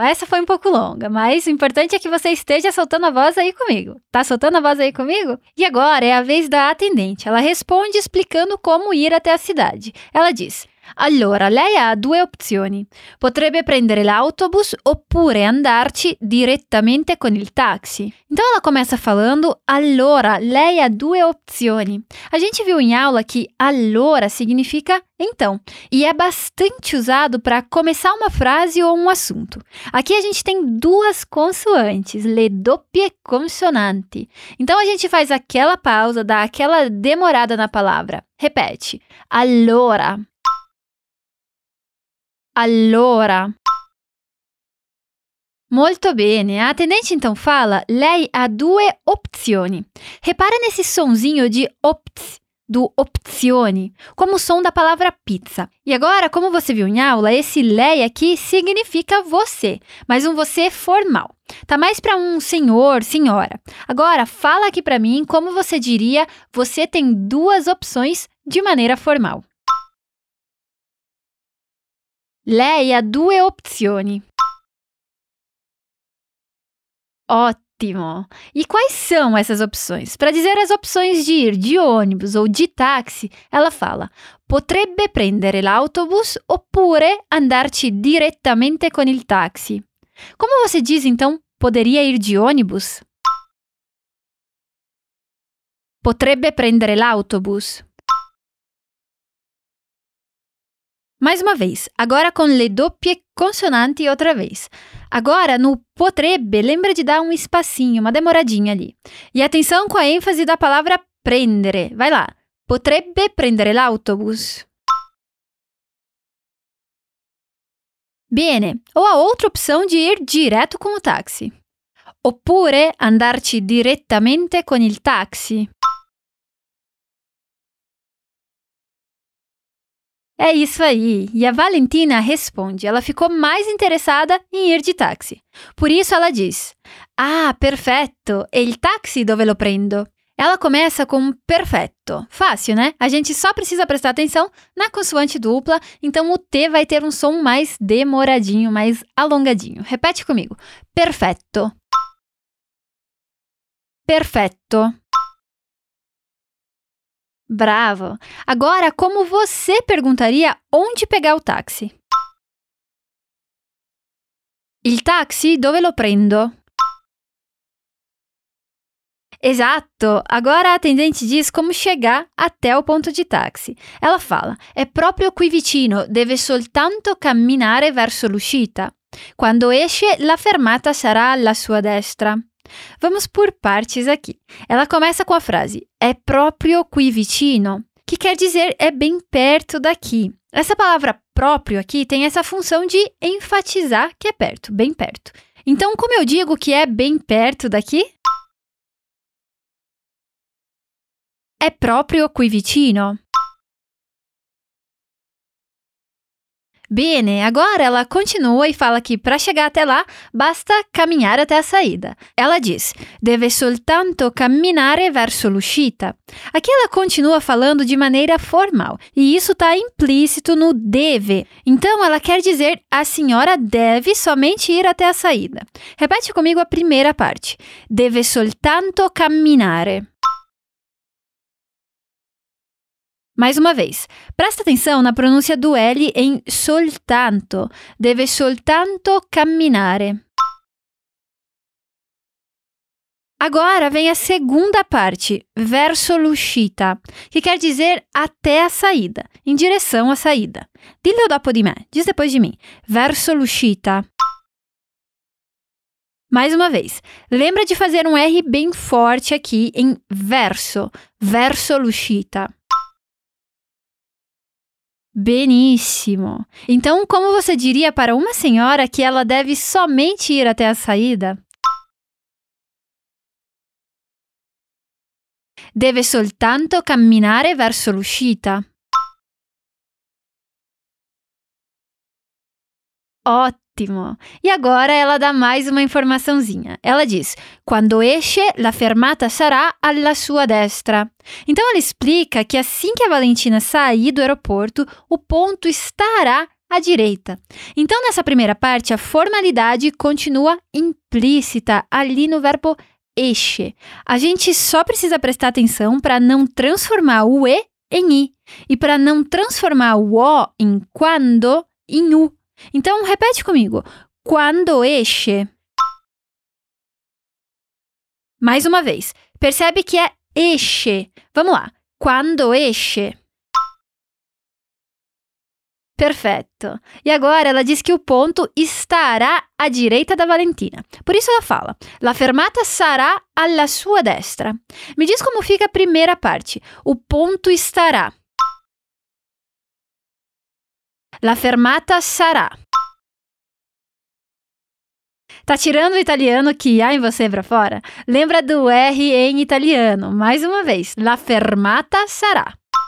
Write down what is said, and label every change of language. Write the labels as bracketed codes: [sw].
[pt] Essa foi um pouco longa, mas o importante é que você esteja soltando a voz aí comigo. Tá soltando a voz aí comigo? E agora é a vez da atendente. Ela responde explicando como ir até a cidade. Ela diz... [it] Allora, lei ha due opzioni. Potrebbe prendere l'autobus oppure andarci direttamente con il taxi. [pt] Então ela começa falando, [it] allora, lei ha due opzioni. [pt] A gente viu em aula que allora significa então, e é bastante usado para começar uma frase ou um assunto. Aqui a gente tem duas consoantes, [it] le doppie consonanti. [pt] Então a gente faz aquela pausa, dá aquela demorada na palavra. Repete, allora. [it] Allora. Molto bene. [pt] A attendente então fala, [it] lei ha due opzioni. [pt] Repara nesse sonzinho de opts, do opzioni, como o som da palavra pizza. E agora, como você viu em aula, esse lei aqui significa você, mas um você formal. Tá mais para um senhor, senhora. Agora, fala aqui para mim como você diria você tem duas opções de maneira formal. [it] Lei ha due opzioni. [pt] Ótimo! E quais são essas opções? Para dizer as opções de ir de ônibus ou de táxi, ela fala [it] potrebbe prendere l'autobus oppure andarci direttamente con il taxi. [pt] Como você diz, então, poderia ir de ônibus? [it] Potrebbe prendere l'autobus. [pt] Mais uma vez, agora com [it] le doppie consonanti [pt] outra vez. Agora, no potrebbe, lembra de dar um espacinho, uma demoradinha ali. E atenção com a ênfase da palavra prendere. Vai lá. [it] Potrebbe prendere l'autobus. Bene. [pt] Ou a outra opção de ir direto com o táxi. [it] Oppure andarci direttamente con il taxi. [pt] É isso aí. E a Valentina responde. Ela ficou mais interessada em ir de táxi. Por isso ela diz. [it] Ah, perfetto. E il taxi dove lo prendo? [pt] Ela começa com perfetto. Fácil, né? A gente só precisa prestar atenção na consoante dupla. Então o T vai ter um som mais demoradinho, mais alongadinho. Repete comigo. [it] Perfetto. Perfetto. Bravo! [pt] Agora, como você perguntaria onde pegar o táxi? [it] Il taxi dove lo prendo? [pt] Exato! Agora a atendente diz como chegar até o ponto de táxi. Ela fala, [it] è proprio qui vicino, deve soltanto camminare verso l'uscita. Quando esce, la fermata sarà alla sua destra. [pt] Vamos por partes aqui. Ela começa com a frase, [it] è proprio qui vicino, [pt] que quer dizer é bem perto daqui. Essa palavra próprio aqui tem essa função de enfatizar que é perto, bem perto. Então, como eu digo que é bem perto daqui? [it] É proprio qui vicino. [pt] Bene, agora ela continua e fala que para chegar até lá, basta caminhar até a saída. Ela diz, [it] deve soltanto camminare verso l'uscita. [pt] Aqui ela continua falando de maneira formal, e isso está implícito no deve. Então, ela quer dizer, a senhora deve somente ir até a saída. Repete comigo a primeira parte. [it] Deve soltanto camminare. [pt] Mais uma vez, presta atenção na pronúncia do L em soltanto. [it] Deve soltanto camminare. [pt] Agora vem a segunda parte, [it] verso l'uscita, [pt] que quer dizer até a saída, em direção à saída. [it] Dillo dopo di me, [pt] diz depois de mim. [it] Verso l'uscita. [pt] Mais uma vez, lembra de fazer um R bem forte aqui em verso, [it] verso l'uscita. [pt] Beníssimo! Então, como você diria para uma senhora que ela deve somente ir até a saída? [it] Deve soltanto camminare verso l'uscita. [pt] Ótimo! E agora ela dá mais uma informaçãozinha. Ela diz, [it] quando esce, la fermata sarà alla sua destra. [pt] Então ela explica que assim que a Valentina sair do aeroporto, o ponto estará à direita. Então nessa primeira parte, a formalidade continua implícita ali no verbo esce. A gente só precisa prestar atenção para não transformar o e em i. E para não transformar o o em quando em u. Então, repete comigo. [it] Quando esce. [pt] Mais uma vez. Percebe que é esce. Vamos lá. [it] Quando esce. [pt] Perfeito. E agora ela diz que o ponto estará à direita da Valentina. Por isso ela fala. [it] La fermata sarà alla sua destra. [pt] Me diz como fica a primeira parte. O ponto estará. [it] La fermata sarà. [pt] Tá tirando o italiano que há em você pra fora? Lembra do R em italiano. Mais uma vez. [it] La fermata sarà.